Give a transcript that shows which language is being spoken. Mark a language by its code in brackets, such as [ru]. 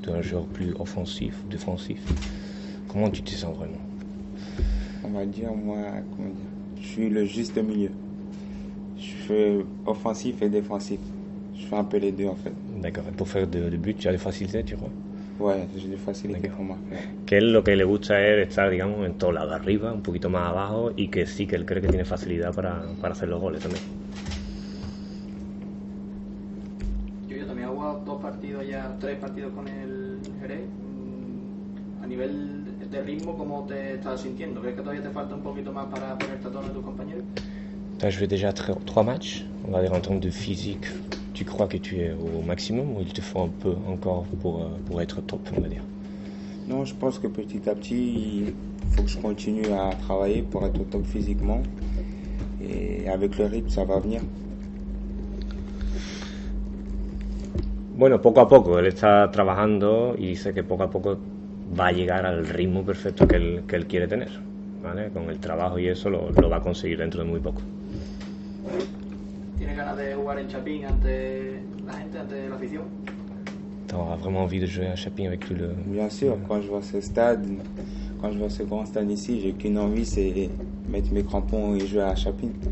[fr] Tu es un joueur plus offensif, défensif? Comment tu te sens vraiment? On va dire, moi, comment dire, je suis le juste milieu. Je fais offensif et défensif. Je fais un peu les deux, en fait. D'accord. Et pour faire de but, tu as des facilités, tu crois? Ouais, j'ai des facilités D'accord. pour moi. [es] ¿Qué es lo que le gusta a él estar, digamos, en todos lados, arriba, un poquito más abajo, y que sí, que él cree que tiene facilidad para hacer los goles también? Dos partidos ya, tres partidos con el Jerez. A nivel de ritmo, ¿cómo te estás sintiendo? ¿Crees que todavía te falta un poquito más para ponerte a tono de tus compañeros? [fr] T'as joué déjà trois matchs, on va dire en termes de physique, tu crois que tu es au maximum ou il te faut un peu encore pour être top, on va dire? Non, je pense que petit à petit, il faut que je continue à travailler pour être au top physiquement. Et avec le rythme, ça va venir. [es] Bueno, poco a poco, él está trabajando y dice que poco a poco va a llegar al ritmo perfecto que él quiere tener, ¿vale? Con el trabajo y eso lo va a conseguir dentro de muy poco. ¿Tiene ganas de jugar en Chapín ante la gente, ante la afición? [fr] T'auras vraiment envie de jouer à Chapin avec tout le. Bien sûr, quand je vois ce stade, quand je vois ce grand stade ici, j'ai qu'une envie, c'est mettre mes crampons et jouer à Chapin.